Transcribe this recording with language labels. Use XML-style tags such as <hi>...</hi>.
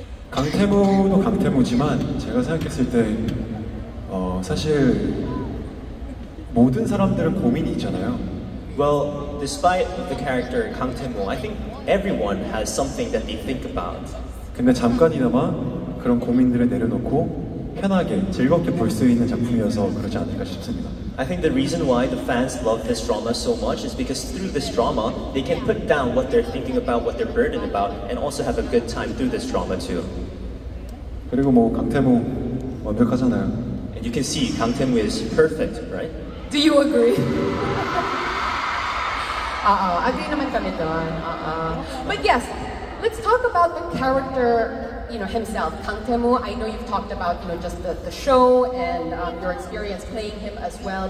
<ko>강태무도 강태무지만 제가 생각했을 때 사실 모든 사람들은 고민이 있잖아요.</ko> <en>Well, despite the character 강태무, I think everyone has something that they think about.</en> <ko>근데 잠깐이나마 그런 고민들을 내려놓고 편하게 즐겁게 볼 수 있는 작품이어서 그러지 않을까 싶습니다.</ko> <en>I think the reason why the fans love this drama so much is because through this drama, they can put down what they're thinking about, what they're burdened about, and also have a good time through this drama too.</en> <ko>그리고 뭐 강태무 완벽하잖아요.</ko> <en>And you can see 강태무 is perfect, right? Do you agree?</en> <tl>agree naman kami doon.</tl> <en>But yes, let's talk about the character, you know, himself, Kang Tae-mo. I know you've talked about, you know, just the show and your experience playing him as well.</en>